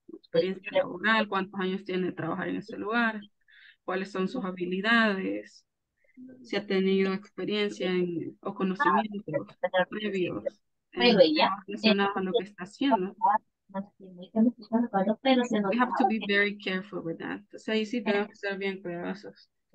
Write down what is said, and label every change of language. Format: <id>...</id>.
<es>Experiencia laboral, cuántos años tiene de trabajar en ese lugar, cuáles son sus habilidades, si ha tenido experiencia o conocimientos previos relacionados con lo que está haciendo.</es> <en>We have to be very careful with that.</en> <es>Entonces ahí sí tenemos que ser bien cuidadosos.</es>